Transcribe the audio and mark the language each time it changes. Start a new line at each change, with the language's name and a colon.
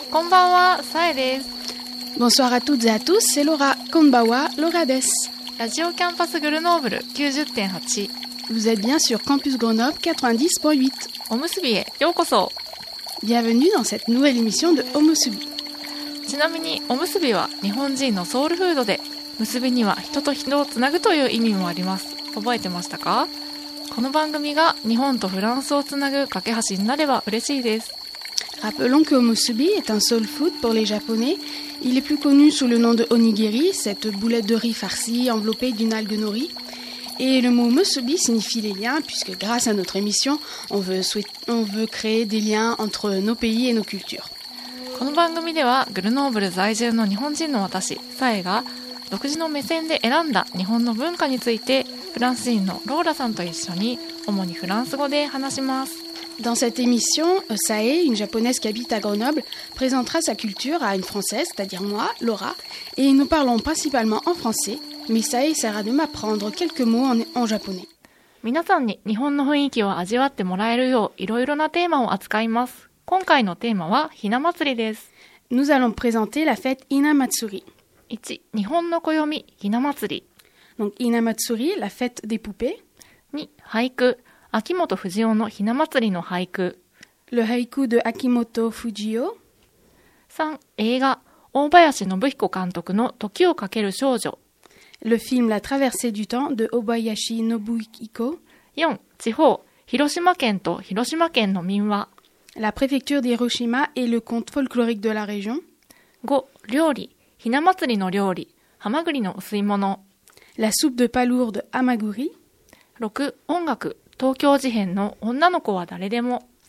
Japanese: Konbanwa, Sae desu.
French: Bonsoir à toutes et à tous, c'est Laura.
Japanese: Konbanwa, Laura desu.
French: Radio Campus Grenoble 90.8. Vous êtes bien sur Campus Grenoble 90.8.
Japanese: Omusubi e yokoso.
French: Bienvenue dans cette nouvelle émission de Omusubi.
Japanese: ちなみにおむすびは日本人のソウルフードで、結びには人と人をつなぐという意味もあります。覚えてましたか？この番組が日本とフランスをつなぐ架け橋になれば嬉しいです。
French: Rappelons que omusubi est un soul food pour les Japonais. Il est plus connu sous le nom de onigiri, cette boulette de riz farcie enveloppée d'une algue nori. Et le mot omusubi signifie les liens, puisque grâce à notre émission, on veut créer des liens entre nos pays et nos cultures.
Japanese: この番組ではグルノーブル在住の日本人の私サエが独自の目線で選んだ日本の文化についてフランス人のローラさんと一緒に主にフランス語で話します。
French: Dans cette émission, Sae, une japonaise qui habite à Grenoble, présentera sa culture à une française, c'est-à-dire moi, Laura, et nous parlons principalement en français, mais Sae essaiera de m'apprendre quelques mots en japonais.
Japanese: 皆さんに日本の雰囲気を味わってもらえるよう、いろいろなテーマを扱います。今回のテーマはひな祭りです。
French: Nous allons présenter la fête Hinamatsuri.
Japanese: 1. 日本の暦、ひな祭り。
French: Donc Hinamatsuri, la fête des poupées. 2.
Japanese: 俳句、秋元不二雄のひな祭りの俳句。
French: Le haïku de 秋元不二雄。 3.
Japanese: 映画、大林信彦監督の時をかける少女。
French: Le film La traversée du temps de 小林信彦。 4.
Japanese: 地方、広島県と広島県の民話。
French: La préfecture d'Hiroshima et le conte folklorique de la région. 5.
Japanese: 料理、ひな祭りの料理、ハマグリの吸い物。
French: La soupe de palourde, amaguri. 6.
Japanese: 音楽、東京事変の女の子は誰でも。